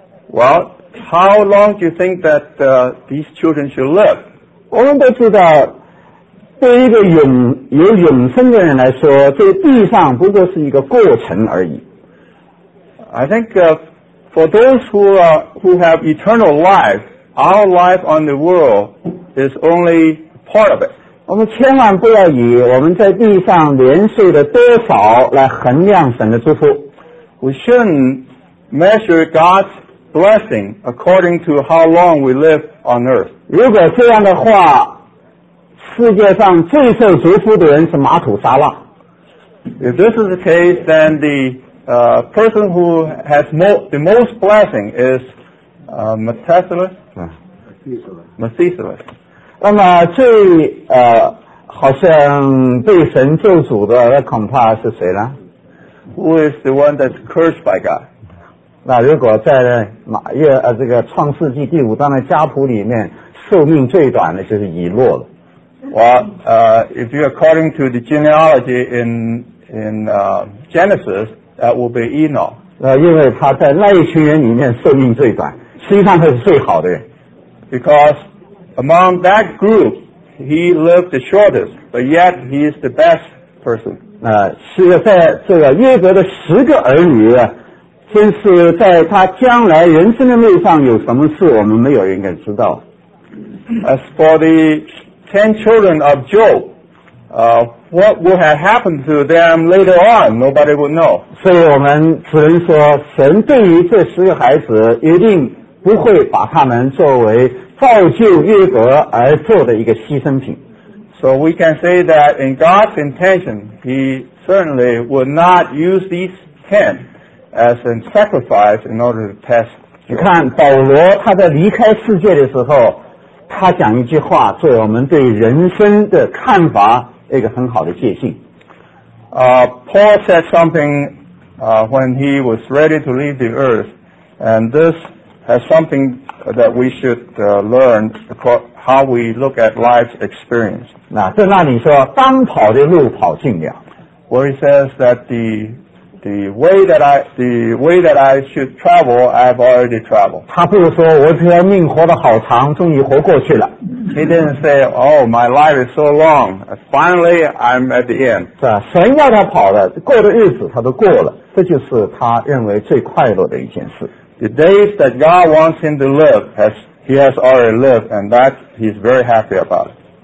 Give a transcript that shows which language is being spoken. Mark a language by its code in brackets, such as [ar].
[en] Well, how long do you think that these children should live? [zh] 我们都知道对一个有永生的人来说这地上不过是一个过程而已。 [en] I think for those who have eternal life, our life on the world is only part of it. [zh] 我们千万不要以我们在地上年岁的多少来衡量神的祝福。 [en] We shouldn't measure God's blessing according to how long we live on earth. [zh] 如果这样的话，世界上最受祝福的人是马土沙拉。 [en] If this is the case, then theperson who has the most blessing is Methuselah. [zh] 那么最好像被神咒诅的那恐怕是谁呢？ [en] Who is the one that's cursed by God? [zh] 那如果在这个创世纪第五章的家谱里面寿命最短的就是以诺了。 [en] Well, if you're according to the genealogy Genesis,That will be Enoch. [zh] 因为他在那一群人里面寿命最短，实际上他是最好的人。 [en] Because among that group, he lived the shortest, but yet he is the best person. [zh] 是在这个约伯的十个儿女，真是在他将来人生的路上有什么事，我们没有人敢知道。 [en] As for the 10 children of Job, What will have happened to them later on, nobody will know. [zh] 所以我们只能说神对于这十个孩子一定不会把他们作为造就约伯而做的一个牺牲品。 [en] So we can say that in God's intention, he certainly would not use these 10 as a sacrifice in order to test. [zh] 你看保罗他在离开世界的时候，他讲一句话作为我们对人生的看法一个很好的界限。 [en] Paul said something when he was ready to leave the earth, and this has something that we should learn how we look at life's experience. [zh] 在那里说当跑的路跑尽了。 [en] Where he says that the way that I should travel, I've already traveled. [zh] 他不是说我这条命活得好长，终于活过去了。 [en] He didn't say, oh, my life is so long, finally I'm at the end. [zh] 是啊，神要他跑的，过的日子他都过了，这就是他认为最快乐的一件事。 [en] The days that God wants him to live, he has already lived, and that he's very happy about it.